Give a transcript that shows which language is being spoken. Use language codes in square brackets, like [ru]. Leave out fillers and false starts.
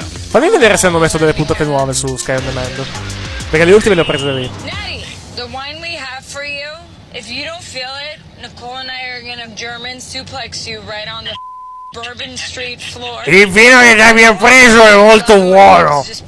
[it] Fammi vedere se hanno messo delle puntate nuove su Sky on Demand. Perché le ultime le ho prese da lì. [en] Natty, the wine we have for you, if you don't feel it, Nicole and I are gonna German suplex you right on the Bourbon Street floor. [it] Il vino che abbiamo preso è molto buono.